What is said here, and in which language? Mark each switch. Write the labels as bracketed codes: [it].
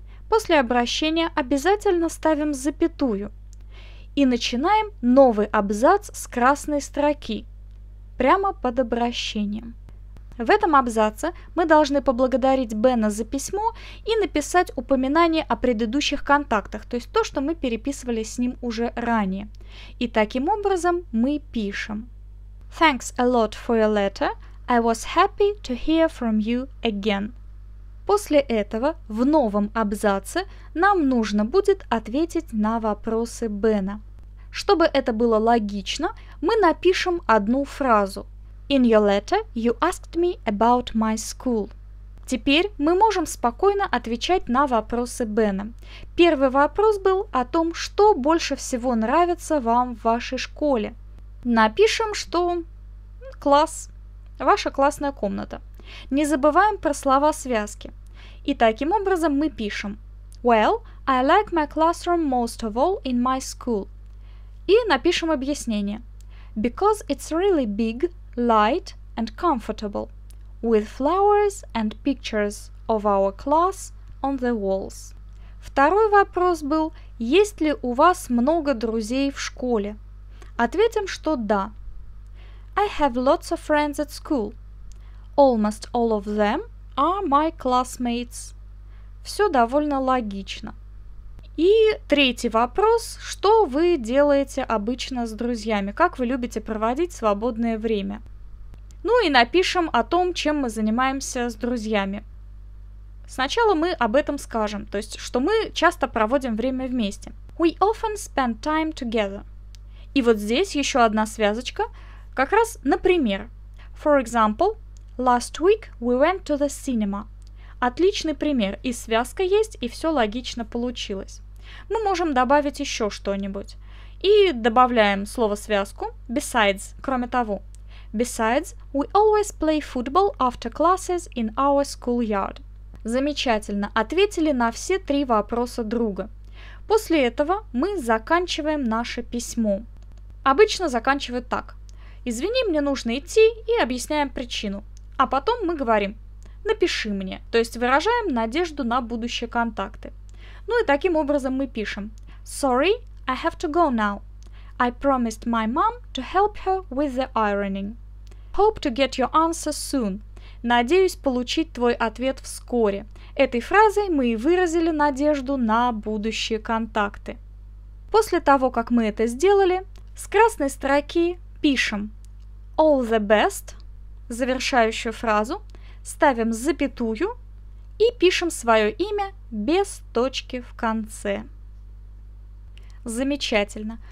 [ru] После обращения обязательно ставим запятую и начинаем новый абзац с красной строки, прямо под обращением. В этом абзаце мы должны поблагодарить Бена за письмо и написать упоминание о предыдущих контактах, то есть то, что мы переписывали с ним уже ранее. И таким образом мы пишем. [en] Thanks a lot for your letter. I was happy to hear from you again. [ru] После этого в новом абзаце нам нужно будет ответить на вопросы Бена. Чтобы это было логично, мы напишем одну фразу. [en] In your letter, you asked me about my school. [ru] Теперь мы можем спокойно отвечать на вопросы Бена. Первый вопрос был о том, что больше всего нравится вам в вашей школе. Напишем, что класс, ваша классная комната. Не забываем про слова связки. И таким образом мы пишем. [en] Well, I like my classroom most of all in my school. [ru] И напишем объяснение. [en] Because it's really big, light and comfortable, with flowers and pictures of our class on the walls. [ru] Второй вопрос был, есть ли у вас много друзей в школе? Ответим, что да. [en] I have lots of friends at school. Almost all of them are my classmates. [ru] Все довольно логично. И третий вопрос, что вы делаете обычно с друзьями? Как вы любите проводить свободное время? Ну и напишем о том, чем мы занимаемся с друзьями. Сначала мы об этом скажем, то есть, что мы часто проводим время вместе. [en] We often spend time together. [ru] И вот здесь еще одна связочка, как раз например. [en] For example, last week we went to the cinema. [ru] Отличный пример, и связка есть, и все логично получилось. Мы можем добавить еще что-нибудь. И добавляем слово-связку, besides, кроме того. [en] Besides, we always play football after classes in our schoolyard. [ru] Замечательно, ответили на все три вопроса друга. После этого мы заканчиваем наше письмо. Обычно заканчивают так. Извини, мне нужно идти, и объясняем причину. А потом мы говорим, напиши мне, то есть выражаем надежду на будущие контакты. Ну и таким образом мы пишем. [en] Sorry, I have to go now. I promised my mom to help her with the ironing. Hope to get your answer soon. [ru] Надеюсь получить твой ответ вскоре. Этой фразой мы и выразили надежду на будущие контакты. После того, как мы это сделали, с красной строки пишем [en] all the best, [ru] завершающую фразу, ставим запятую и пишем свое имя без точки в конце. Замечательно.